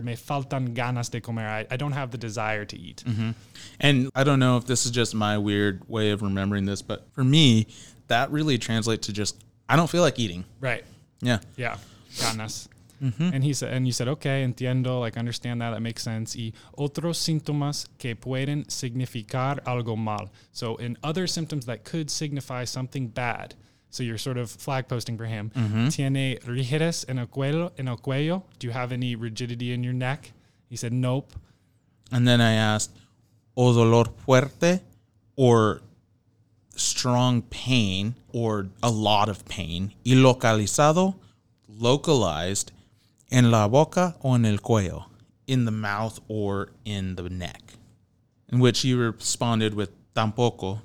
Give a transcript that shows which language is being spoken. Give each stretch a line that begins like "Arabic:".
Spanish: Me faltan ganas de comer.
English: I don't have the desire to eat. Mm-hmm. And I don't know if this is just my weird way of remembering this, but for me, that really translates to just, I don't feel like eating. Right. Yeah. Yeah. Ganas. Mm-hmm. And he said, and you said, okay, entiendo, like understand that, that makes sense.
Spanish: Y otros síntomas que pueden significar algo mal.
English: So in other symptoms that could signify something bad. So you're sort of flag posting for him. Mm-hmm.
Spanish: Tiene rigidez en el cuello.
English: Do you have any rigidity in your neck? He said, nope. And then I asked,
Spanish: o dolor fuerte
English: or strong pain or a lot of pain,
Spanish: y localizado,
English: localized,
Spanish: en la boca o en el cuello,
English: in the mouth or in the neck, in which you responded with tampoco.